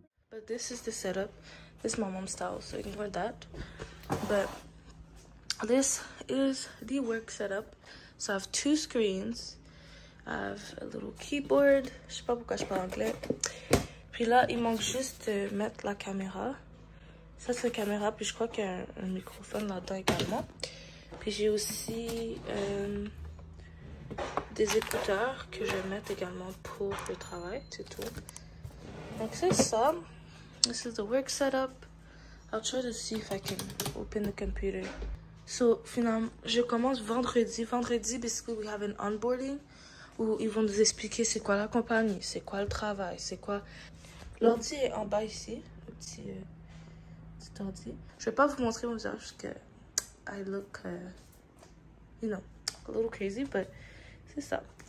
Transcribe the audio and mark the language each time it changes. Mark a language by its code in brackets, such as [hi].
[en] But this is the setup. This is my mom's style, so ignore that. But this is the work setup. So I have two screens. I have a little keyboard. [fr] Je sais pas pourquoi je parle anglais. Puis là, il manque juste de mettre la caméra. Ça, c'est la caméra. Puis je crois qu'il y a un microphone là-dedans également. Puis j'ai aussi des écouteurs que je vais mettre également pour le travail. C'est tout. Donc c'est ça. [en] This is the work setup. I'll try to see if I can open the computer. [fr] So, finalement, je commence vendredi. Vendredi, [en] basically, we have an onboarding [fr] où ils vont nous expliquer c'est quoi la compagnie, c'est quoi le travail, c'est quoi... L'ordi est en bas ici, le petit, petit ordi. Je vais pas vous montrer mon visage parce que [en] I look, you know, a little crazy, [fr] but c'est ça.